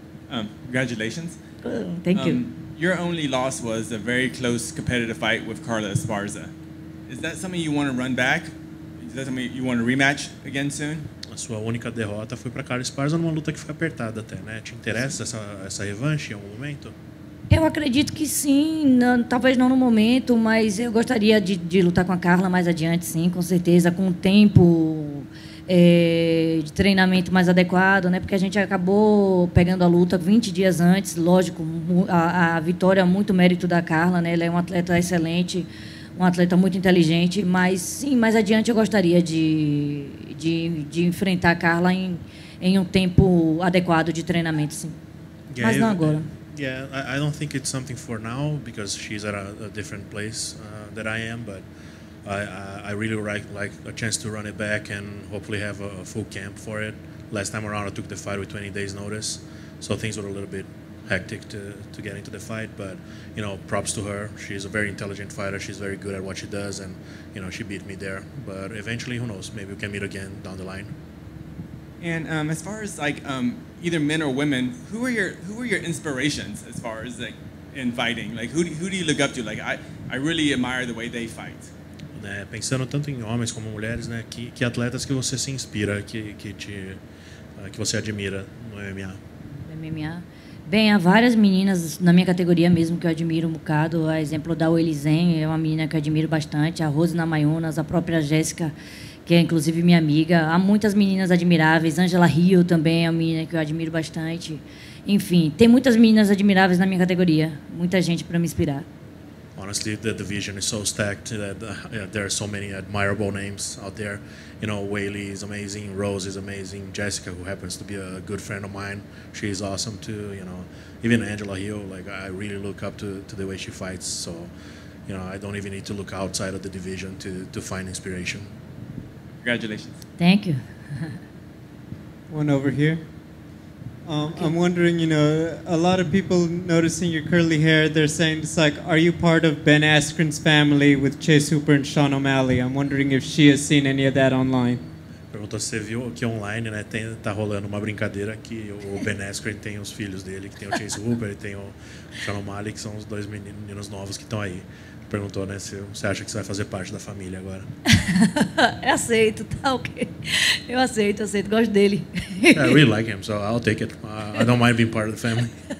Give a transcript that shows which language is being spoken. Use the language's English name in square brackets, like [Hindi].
[English] Congratulations. Thank you. Your only loss was a very close competitive fight with Carla Esparza. Is that something you want to run back? Is that something you want to rematch again soon? [Portuguese] A sua única derrota foi para Carla Esparza numa luta que foi apertada até, né? Te interessa essa revanche em algum momento? Eu acredito que sim, talvez não no momento, mas eu gostaria de lutar com a Carla mais adiante, sim, com certeza, com o tempo de treinamento mais adequado, né? Porque a gente acabou pegando a luta 20 dias antes, lógico, a vitória é muito mérito da Carla, né? Ela é um atleta excelente. Um atleta muito inteligente, mas sim, mais adiante eu gostaria de enfrentar a Carla em um tempo adequado de treinamento, sim. [English] Yeah, [Portuguese] mas não agora. [English] Yeah, I don't think it's something for now because she's at a different place that I am, but I really like a chance to run it back and hopefully have a full camp for it. Last time around I took the fight with 20 days notice, so things were a little bit hectic to get into the fight, but you know, props to her. She's a very intelligent fighter. She's very good at what she does, and you know, she beat me there. But eventually, who knows? Maybe we can meet again down the line. And as far as like either men or women, who are your inspirations as far as like in fighting? Like who do you look up to? Like I really admire the way they fight. [Portuguese] Né, pensando tanto em homens como mulheres, né? Que atletas que você se inspira, que você admira no MMA? MMA. Bem, há várias meninas na minha categoria mesmo que eu admiro um bocado. A exemplo da Weili Zhen, é uma menina que eu admiro bastante. A Rose Namajunas, a própria Jéssica, que é inclusive minha amiga. Há muitas meninas admiráveis. Angela Rio também é uma menina que eu admiro bastante. Enfim, tem muitas meninas admiráveis na minha categoria. Muita gente para me inspirar. [English] Honestly, the division is so stacked that there are so many admirable names out there. You know, Whaley is amazing, Rose is amazing, Jessica, who happens to be a good friend of mine, she is awesome too, you know. Even Angela Hill, like, I really look up to the way she fights, so, you know, I don't even need to look outside of the division to find inspiration. Congratulations. Thank you. One over here. Okay. I'm wondering, you know, a lot of people noticing your curly hair, they're saying it's like, are you part of Ben Askren's family with Chase Hooper and Sean O'Malley? I'm wondering if she has seen any of that online. [Portuguese] Perguntou se você viu que online, né, tem, tá rolando uma brincadeira que o Ben Askren tem os filhos dele, que tem o Chase Hooper e tem o Sean O'Malley, que são os dois meninos novos que estão aí. Perguntou, né, se você acha que você vai fazer parte da família agora. Aceito, tá ok. Eu aceito, aceito. Gosto dele. [English] Yeah, I really like him, so I'll take it. I don't mind being part of the family.